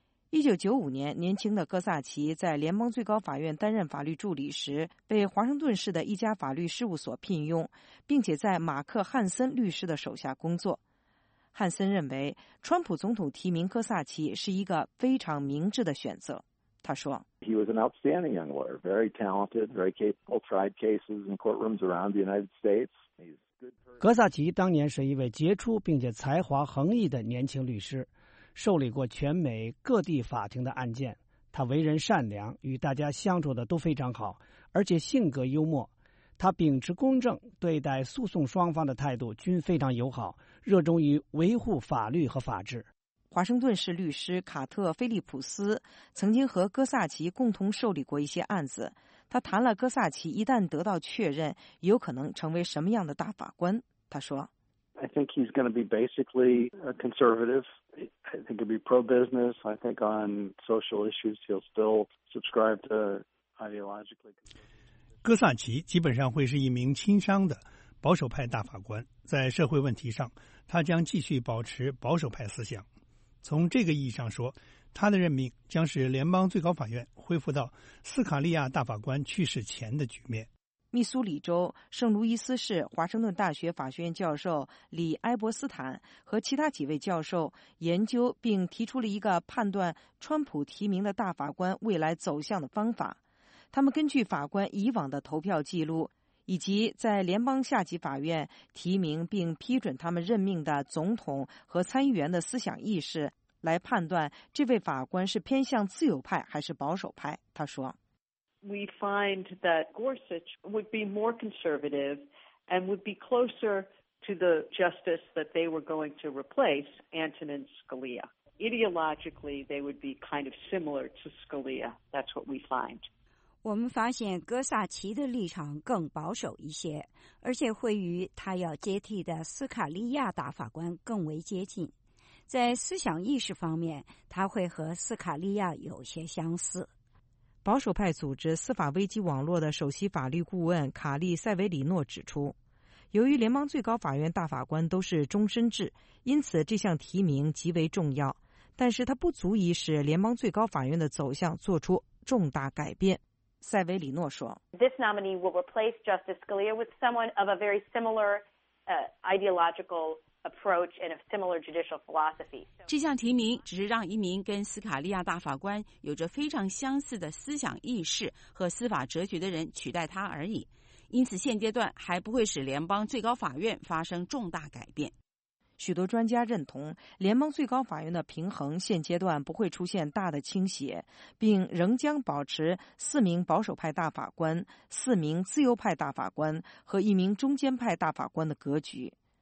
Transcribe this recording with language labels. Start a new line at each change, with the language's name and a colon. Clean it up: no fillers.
Chinese: 1995年，年轻的戈萨奇在联邦最高法院担任法律助理时，被华盛顿市的一家法律事务所聘用，并且在马克·汉森律师的手下工作。汉森认为，川普总统提名戈萨奇是一个非常明智的选择。他说
English: ：“He was an outstanding young lawyer, very talented, very capable. Tried cases in courtrooms around the United States.”
Chinese: 戈萨奇当年是一位杰出并且才华横溢的年轻律师，受理过全美各地法庭的案件。他为人善良，与大家相处的都非常好，而且性格幽默。他秉持公正对待诉讼双方的态度均非常友好，热衷于维护法律和法治。华盛顿市律师卡特·菲利普斯曾经和戈萨奇共同受理过一些案子，他谈了戈萨奇一旦得到确认有可能成为什么样的大法官。他说
English: I think he's going to be basically a conservative. I think he'll be pro-business. I think on social issues he'll still subscribe to ideologically conservative.
Chinese: 戈萨奇基本上会是一名亲商的保守派大法官，在社会问题上他将继续保持保守派思想。从这个意义上说，他的任命将使联邦最高法院恢复到斯卡利亚大法官去世前的局面。密苏里州圣路易斯市华盛顿大学法学院教授李埃伯斯坦和其他几位教授研究并提出了一个判断川普提名的大法官未来走向的方法。他们根据法官以往的投票记录，以及在联邦下级法院提名并批准他们任命的总统和参议员的思想意识，来判断这位法官是偏向自由派还是保守派。他说
English: ：“We find that Gorsuch would be more conservative and would be closer to the justice that they were going to replace, Antonin Scalia. Ideologically, they would be kind of similar to Scalia. That's what we find.”
Chinese: 我们发现戈萨奇的立场更保守一些，而且会与他要接替的斯卡利亚大法官更为接近。在思想意识方面，他会和斯卡利亚有些相似。保守派组织司法危机网络的首席法律顾问卡利·塞维里诺指出，由于联邦最高法院大法官都是终身制，因此这项提名极为重要。但是它不足以使联邦最高法院的走向做出重大改变。塞维里诺说
English: This nominee will replace Justice Scalia with someone of a very similar ideological approach and a similar judicial philosophy.
Chinese: 这项提名只是让一名跟斯卡利亚大法官有着非常相似的思想意识和司法哲学的人取代他而已，因此现阶段还不会使联邦最高法院发生重大改变。许多专家认同，联邦最高法院的平衡现阶段不会出现大的倾斜，并仍将保持四名保守派大法官、四名自由派大法官和一名中间派大法官的格局。